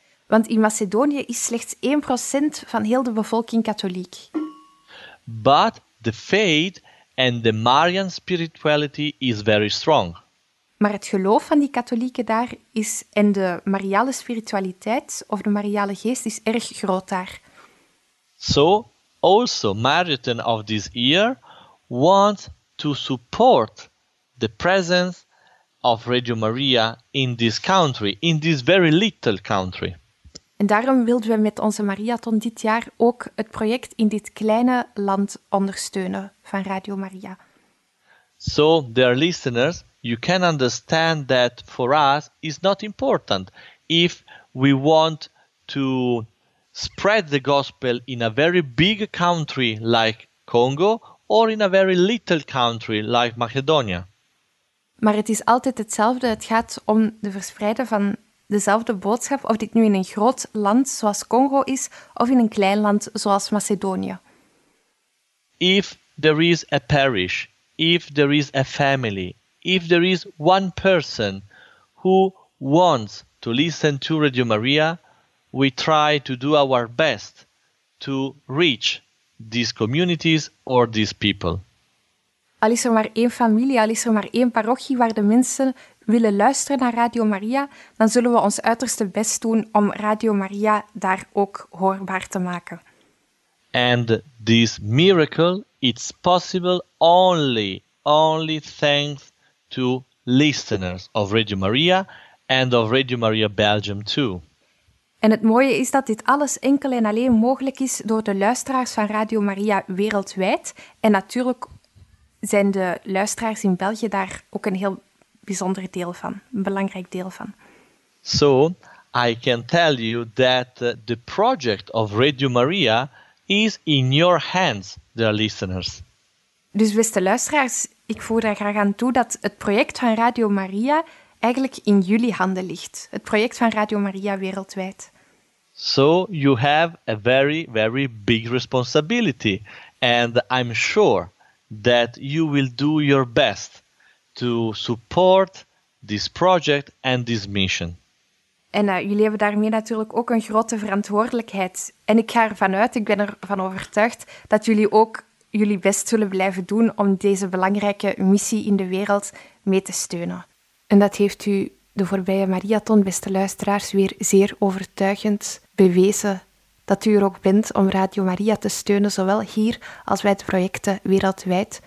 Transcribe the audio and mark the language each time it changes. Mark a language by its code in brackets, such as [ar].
[nl] Want in Macedonië is slechts 1% van heel de bevolking katholiek. [en] But the faith and the Marian spirituality is very strong. [nl] Maar het geloof van die katholieken daar is en de mariale spiritualiteit of de mariale geest is erg groot daar. [en] So, also Mariathon of this year wants to support the presence of Radio Maria in this country, in this very little country. [nl] En daarom wilden we met onze Mariathon dit jaar ook het project in dit kleine land ondersteunen van Radio Maria. [en] So, dear listeners, you can understand that for us it's not important if we want to spread the gospel in a very big country like Congo or in a very little country like Macedonia. [nl] Maar het is altijd hetzelfde. Het gaat om de verspreiden van dezelfde boodschap, of dit nu in een groot land zoals Congo is, of in een klein land zoals Macedonië. [en] If there is a parish if there is a family, if there is one person who wants to listen to Radio Maria, we try to do our best to reach these communities or these people. [nl] Al is er maar één familie, al is er maar één parochie waar de mensen willen luisteren naar Radio Maria, dan zullen we ons uiterste best doen om Radio Maria daar ook hoorbaar te maken. [en] And this miracle is possible only thanks to listeners of Radio Maria and of Radio Maria Belgium too. [nl] En het mooie is dat dit alles enkel en alleen mogelijk is door de luisteraars van Radio Maria wereldwijd. En natuurlijk zijn de luisteraars in België daar ook een heel bijzonder deel van, een belangrijk deel van. [en] So, I can tell you that the project of Radio Maria is in your hands, dear listeners. [nl] Dus beste luisteraars, ik voeg daar graag aan toe dat het project van Radio Maria eigenlijk in jullie handen ligt. Het project van Radio Maria wereldwijd. [en] So, you have a very, very big responsibility. And I'm sure that you will do your best to support this project and this mission. [nl] En jullie hebben daarmee natuurlijk ook een grote verantwoordelijkheid. En ik ga ervan uit, ik ben ervan overtuigd, dat jullie ook jullie best zullen blijven doen om deze belangrijke missie in de wereld mee te steunen. En dat heeft u de voorbije Mariathon, beste luisteraars, weer zeer overtuigend bewezen dat u er ook bent om Radio Maria te steunen, zowel hier als bij de projecten wereldwijd.